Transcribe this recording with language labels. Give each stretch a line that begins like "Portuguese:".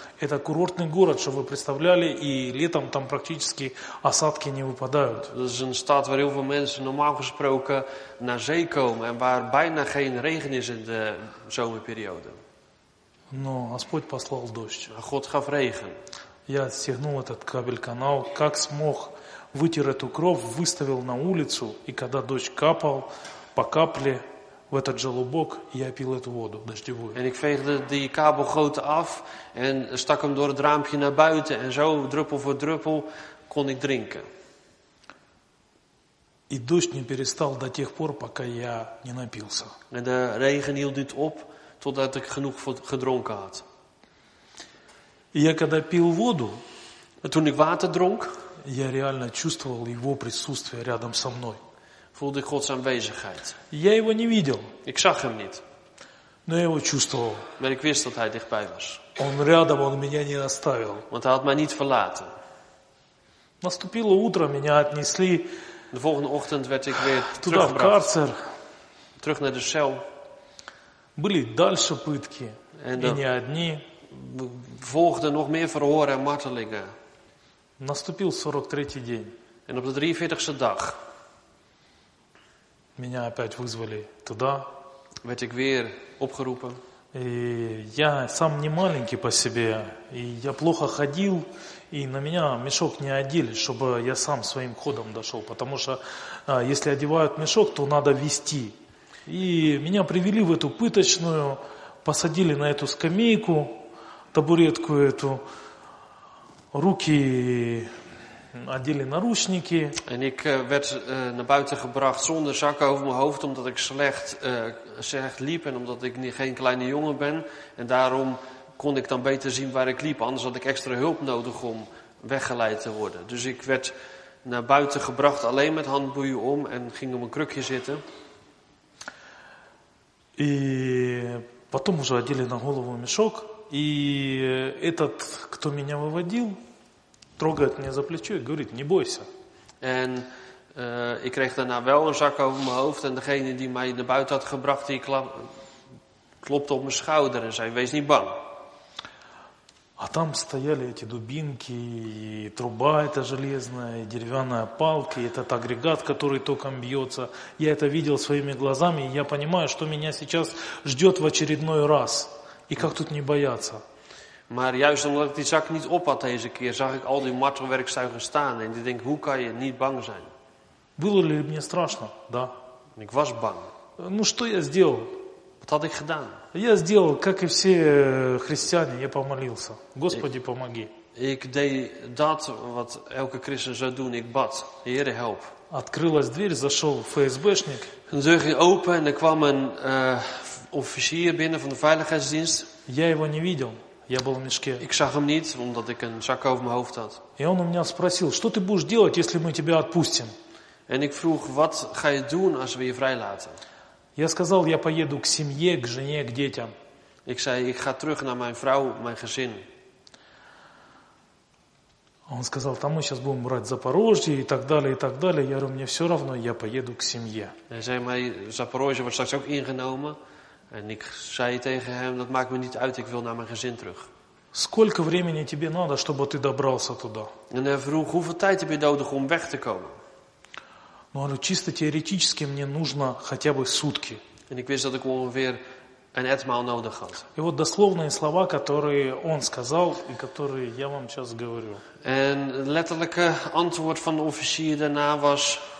Russian: Это курортный город, чтобы вы представляли, и летом там практически осадки не выпадают.
Dutch: Dat is een stad waar heel veel mensen normaal gesproken naar zee komen en waar bijna geen regen is in de zomerperiode.
Russian: Но Господь послал дождь.
Dutch: God gaf regen.
Russian: Я стегнул этот кабель-канал, как смог, вытер эту кровь, выставил на улицу, и когда дождь капал, по капле в этот желобок, я пил эту воду дождевую.
Dutch: En ik veegde die kabelgoot af en stak hem door het raampje naar buiten en zo druppel voor druppel kon ik drinken.
Russian: И дождь не перестал до тех пор, пока я не напился.
Dutch: En de regen hield niet op. Totdat ik genoeg gedronken had.
Russian: Я когда пил воду,
Dutch: toen ik water dronk,
Russian: я реально чувствовал его присутствие рядом со мной.
Dutch: Voelde ik Gods aanwezigheid.
Russian: Я его не видел.
Dutch: Ik zag hem niet.
Russian: Но я его чувствовал.
Dutch: Maar ik wist dat hij dichtbij was.
Russian: Он рядом, он меня не оставил.
Dutch: Want hij had mij niet verlaten.
Russian: Наступило утро, меня отнесли.
Dutch: De volgende ochtend werd ik weer teruggebracht.
Russian: Туда, в карцер.
Dutch: Terug naar de cel.
Russian: Были дальше пытки, и не одни.
Dutch: Volgden nog meer verhoren en martelingen.
Russian: Наступил 43-й день.
Dutch: En op de 43e dag.
Russian: Меня опять вызвали туда.
Dutch: Werd ik weer opgeroepen.
Russian: И я сам не маленький по себе, и я плохо ходил, и на меня мешок не одели, чтобы я сам своим ходом дошел. Потому что если одевают мешок, то надо вести. И меня привели в эту пыточную, посадили на эту скамейку, табуретку эту, руки одели наручники.
Dutch: En ik werd naar buiten gebracht zonder zakken over mijn hoofd, omdat ik slecht liep en omdat ik geen kleine jongen ben. En daarom kon ik dan beter zien waar ik liep, anders had ik extra hulp nodig om weggeleid te worden. Dus ik werd naar buiten gebracht, alleen met handboeien om en ging op een krukje zitten.
Russian: И потом уже одели на голову мешок, и этот, кто меня выводил, трогает меня за плечо и говорит: "Не бойся".
Dutch: En ik kreeg daarna wel een zak over mijn hoofd en degene die mij naar buiten had gebracht, die klopte op mijn schouder en zei: "Wees niet bang".
Russian: А там стояли эти дубинки, и труба эта железная, и деревянная палка, и этот агрегат, который током бьется. Я это видел своими глазами, и я понимаю, что меня сейчас ждет в очередной раз. И как тут не бояться?
Dutch: Maar juist omdat ik die zak niet op had deze keer, zag ik al die martelwerkstuigen staan. En ik denk, hoe kan je niet bang zijn?
Russian: Было ли мне страшно? Да.
Dutch: Ik was bang.
Russian: Ну что я сделал?
Dutch: Wat had ik gedaan?
Russian: Я сделал, как и все христиане, я помолился. Господи, помоги.
Dutch: Ik deed dat, wat elke christen zou doen, ik bad. Heere, help.
Russian: Открылась дверь, зашел ФСБшник.
Dutch: Deur ging open en er kwam een officier binnen van de veiligheidsdienst.
Russian: Я его не видел, я был в мешке.
Dutch: Ik zag hem niet, omdat ik een zak over mijn hoofd had.
Russian: И он у меня спросил, что ты будешь делать, если мы тебя отпустим?
Dutch: En ik vroeg, wat ga je doen, als we je vrijlaten?
Russian: Я сказал, я поеду к семье, к жене, к детям.
Dutch: Ik zei, ik ga terug naar mijn vrouw, mijn gezin.
Russian: Он сказал, там мы сейчас будем брать Запорожье и так далее, и так далее. Я говорю, мне все равно, я поеду к семье.
Dutch: Hij zei, mijn Запорожье wordt straks ook ingenomen. En ik zei tegen hem, dat maakt me niet uit, ik wil naar mijn gezin terug.
Russian: Сколько времени тебе надо, чтобы ты добрался туда?
Dutch: En hij vroeg, hoeveel tijd heb je nodig om weg te komen?
Russian: Ну, говорю, чисто теоретически мне нужно хотя бы сутки.
Dutch: En ik wist dat ik ongeveer een etmaal nodig had.
Russian: И вот дословные слова, которые он сказал и которые я вам сейчас говорю.
Dutch: En letterlijke antwoord van de officier daarna was: